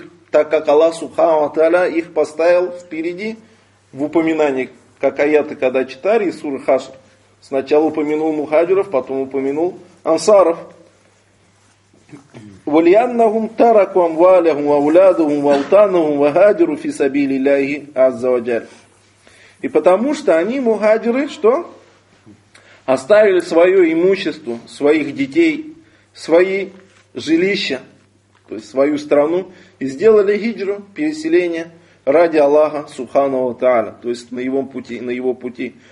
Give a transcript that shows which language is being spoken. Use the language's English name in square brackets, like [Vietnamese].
[Russian] Так как Аллах Субхану ва Тааля их поставил впереди в упоминании, как аяты, когда читали из суры Хашр. Сначала упомянул мухаджиров, потом упомянул ансаров. [Arabic] ولأنهم تركوا أموالهم وأولادهم وأوطانهم وهاجروا في سبيل الله عز وجل. [Russian] И потому что они мухаджиры, что оставили свое имущество, своих детей, свои жилища, то есть свою страну, и сделали хиджру, переселение ради Аллаха Субханаху ва Тааля, то есть на его пути.